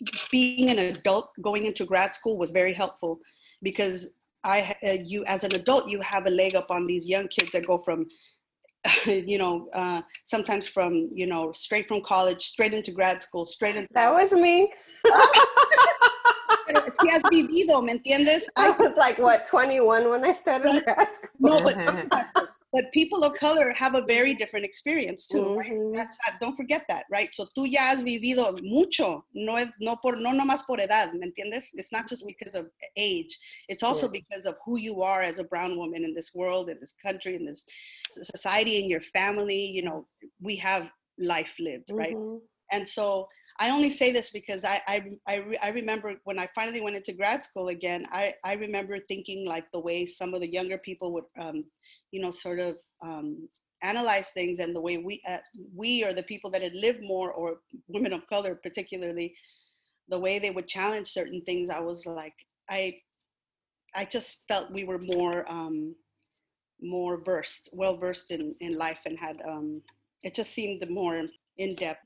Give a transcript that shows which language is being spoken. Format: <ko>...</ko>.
<en>being an adult going into grad school was very helpful, because you as an adult, you have a leg up on these young kids that go from, you know, sometimes from, you know, straight from college, straight into grad school, straight into that was me.</en> <es>Si has vivido, ¿me entiendes?</es> <en>I was like, what, 21 when I started grad school? No, but people of color have a very different experience too, mm-hmm. right? That's that, don't forget that, right?</en> <es>So tú ya has vivido mucho, no nomás por edad, ¿me entiendes?</es> <en>It's not just because of age. It's also because of who you are as a brown woman in this world, in this country, in this society, in your family. You know, we have life lived, mm-hmm. right? And so I only say this because I remember when I finally went into grad school again, I remember thinking like the way some of the younger people would, analyze things, and the way we or the people that had lived more, or women of color particularly, the way they would challenge certain things, I was like, I just felt we were more versed in life, and had, it just seemed more in depth.</en>